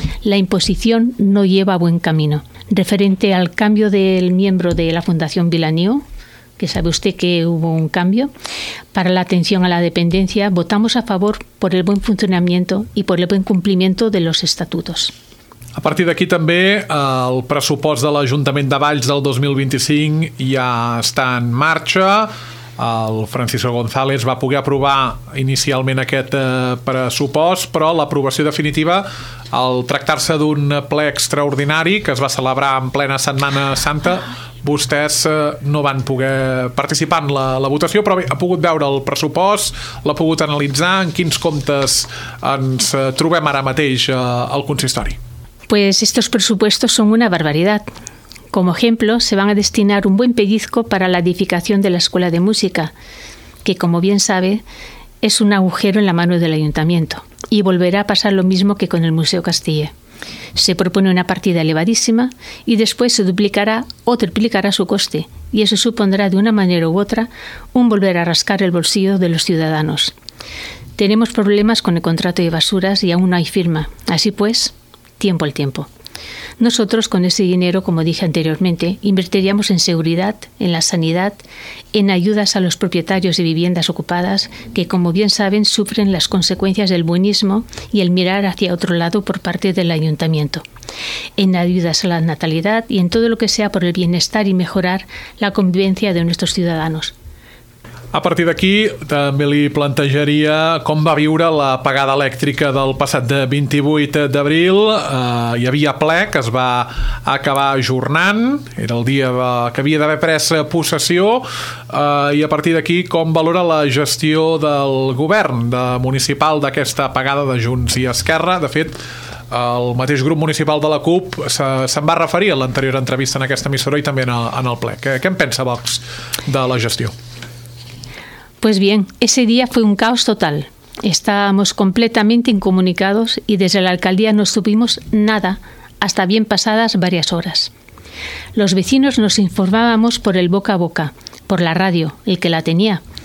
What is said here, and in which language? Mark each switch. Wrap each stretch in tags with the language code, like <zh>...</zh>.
<es>La imposición no lleva a buen camino. Referente al cambio del miembro de la Fundación Vilanio, que sabe usted que hubo un cambio, para la atención a la dependencia, votamos a favor por el buen funcionamiento y por el buen cumplimiento de los estatutos.</es> <ca>A partir d'aquí també el pressupost de l'Ajuntament de Valls del 2025 ja està en marxa. El Francisco González va poder aprovar inicialment aquest pressupost, però l'aprovació definitiva, al tractar-se d'un ple extraordinari que es va celebrar en plena Setmana Santa, vostès no van poder participar en la votació, però ha pogut veure el pressupost, l'ha pogut analitzar. En quins comptes ens trobem ara mateix al consistori?</ca> <es>Pues estos presupuestos son una barbaridad. Como ejemplo, se van a destinar un buen pellizco para la edificación de la Escuela de Música, que como bien sabe, es un agujero en la mano del Ayuntamiento, y volverá a pasar lo mismo que con el Museo Castille. Se propone una partida elevadísima y después se duplicará o triplicará su coste, y eso supondrá de una manera u otra un volver a rascar el bolsillo de los ciudadanos. Tenemos problemas con el contrato de basuras y aún no hay firma. Así pues, tiempo al tiempo. Nosotros, con ese dinero, como dije anteriormente, invertiríamos en seguridad, en la sanidad, en ayudas a los propietarios de viviendas ocupadas que, como bien saben, sufren las consecuencias del buenismo y el mirar hacia otro lado por parte del ayuntamiento, en ayudas a la natalidad y en todo lo que sea por el bienestar y mejorar la convivencia de nuestros ciudadanos.</es> <ca>A partir d'aquí, també li plantejaria com va viure l'apagada elèctrica del passat 28 d'abril. Hi havia ple, que es va acabar ajornant, era el dia que havia d'haver pres possessió, i a partir d'aquí, com valora la gestió del govern de municipal d'aquesta apagada de Junts i Esquerra? De fet, el mateix grup municipal de la CUP se'n va referir a l'anterior entrevista en aquesta emissora i també en el ple. Què en pensa Vox de la gestió?</ca> <es>Pues bien, ese día fue un caos total. Estábamos completamente incomunicados y desde la alcaldía no supimos nada hasta bien pasadas varias horas. Los vecinos nos informábamos por el boca a boca, por la radio, el que la tenía.</es>